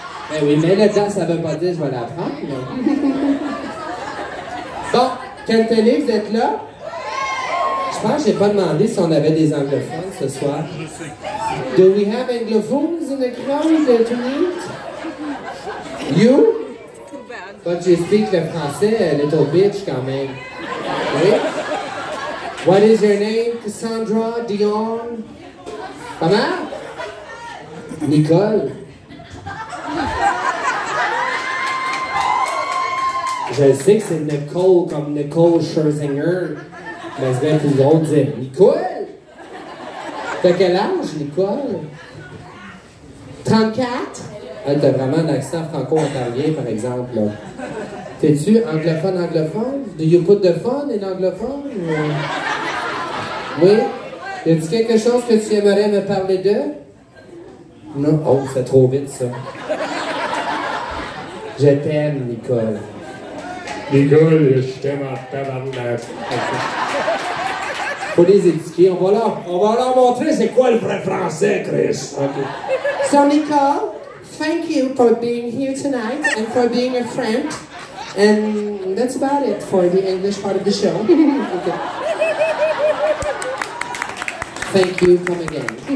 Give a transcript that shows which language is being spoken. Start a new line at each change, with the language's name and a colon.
French: Ben oui, mais là-dedans, ça veut pas dire que je vais la prendre. Là. Bon, Kentelly, vous êtes là? Je pense que j'ai pas demandé si on avait des anglophones ce soir.
English: Do we have anglophones in the crowd tonight? You? But you speak le français, little bitch,
French: quand même. Oui?
English: What is your name? Cassandra? Dion?
French: Comment?
English: Nicole?
French: Je sais que c'est Nicole comme Nicole Scherzinger. Mais c'est vrai que vous autres disent Nicole! T'as quel âge, Nicole? 34? Elle t'a vraiment un accent franco-ontarien, par exemple. T'es-tu anglophone-anglophone?
English: Do you put the fun in anglophone?
French: Oui? Y a-t-il quelque chose que tu aimerais me parler de? Non? Oh, c'est trop vite, ça. Je t'aime, Nicole. Nicole, je t'aime en tabarnak. Faut les éduquer. On va leur montrer c'est quoi le vrai français, Chris.
English: Okay. So, Nicole, thank you for being here tonight and for being a friend. And that's about it for the English part of the show. Okay. Thank you. Come again.